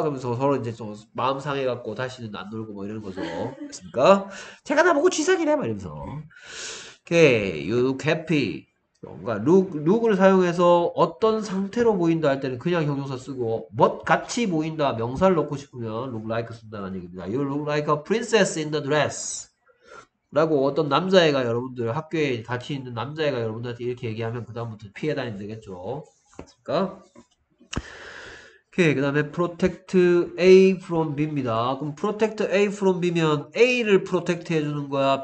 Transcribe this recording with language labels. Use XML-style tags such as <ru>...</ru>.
<ko>그러면서 서로 이제 좀 마음 상해갖고 다시는 안 놀고 뭐 이러는 거죠. 그렇습니까? 제가 나보고 쥐상이네 뭐 이러면서</ko> <en>Okay, you look happy.</en> <ko>뭔가 룩을 사용해서 어떤 상태로 보인다 할 때는 그냥 형용사 쓰고 멋같이 보인다 명사를 넣고 싶으면 룩 라이크 쓴다는 얘기입니다.</ko> <en>You look like a princess in the dress.</en> <ko>라고 어떤 남자애가 여러분들 학교에 같이 있는 남자애가 여러분들한테 이렇게 얘기하면 그다음부터 피해 다니면 되겠죠. 그러니까 오케이. 그다음에 protect A from B입니다. 그럼 protect A from B면 A를 protect 해주는 거야?</ko>